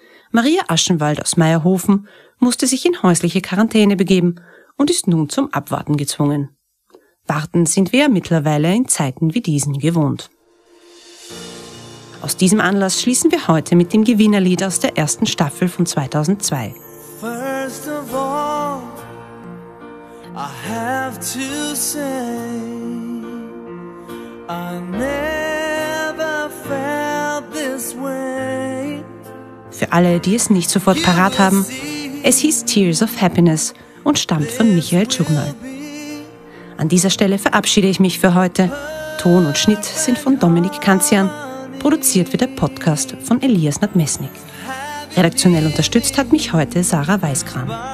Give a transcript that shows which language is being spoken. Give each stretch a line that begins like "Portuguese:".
German: Maria Aschenwald aus Meierhofen musste sich in häusliche Quarantäne begeben und ist nun zum Abwarten gezwungen. Warten sind wir ja mittlerweile in Zeiten wie diesen gewohnt. Aus diesem Anlass schließen wir heute mit dem Gewinnerlied aus der ersten Staffel von 2002.
English: First of all, I have to say, I never felt this way.
German: Für alle, die es nicht sofort parat haben, es hieß Tears of Happiness und stammt von Michael Tschugner. An dieser Stelle verabschiede ich mich für heute. Ton und Schnitt sind von Dominik Kanzian. Produziert wird der Podcast von Elias Nadmesnik. Redaktionell unterstützt hat mich heute Sarah Weiskram.